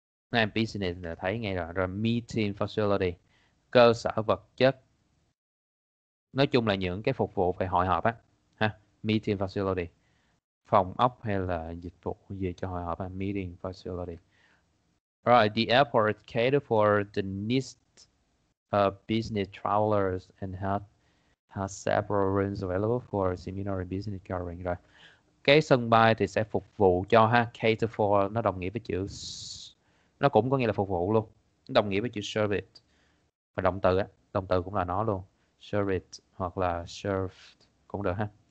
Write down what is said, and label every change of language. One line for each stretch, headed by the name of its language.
Vietnamese: Nên business là thấy ngay rồi. Rồi meeting facility. Cơ sở vật chất. Nói chung là những cái phục vụ về hội họp á. Ha. Meeting facility. Phòng ốc hay là dịch vụ gì cho hội họp á.
English: Meeting facility.
Vietnamese: Rồi.
English: Right. The airport cater for the needs of business travelers and has several rooms available for seminar and business gathering.
Vietnamese: Rồi. Cái sân bay thì sẽ phục vụ cho ha, cater for nó đồng nghĩa với chữ, nó cũng có nghĩa là phục vụ luôn, nó đồng nghĩa với chữ service và động từ á, động từ cũng là nó luôn, service hoặc là served cũng được ha.